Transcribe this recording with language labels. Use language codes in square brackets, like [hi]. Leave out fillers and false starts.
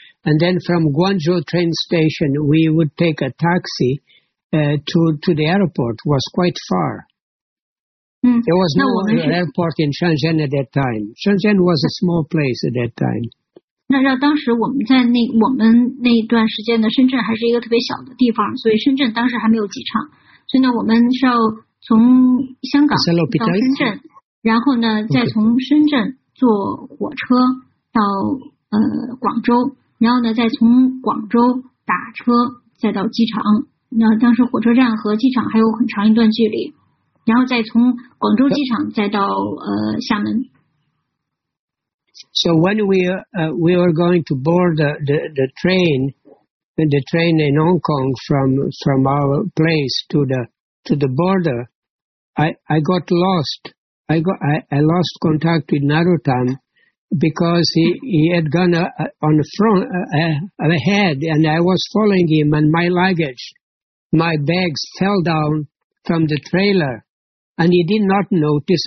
[en] And then from Guangzhou train station, we would take a taxi to the airport. It was quite far. There was no airport in Shenzhen at that time. Shenzhen was a small place at that time. [zh] 那让当时我们在那我们那段时间的深圳还是一个特别小的地方，所以深圳当时还没有机场，所以呢我们是要从香港到深圳，然后呢再从深圳坐火车到广州，然后呢再从广州打车再到机场，那当时火车站和机场还有很长一段距离，然后再从广州机场再到厦门。 [en] So when we were going to board the train, the train in Hong Kong from our place to the border, I got lost. I lost contact with Narottam because he had gone on the front ahead, and I was following him, and my luggage, my bags fell down from the trailer, and he did not notice.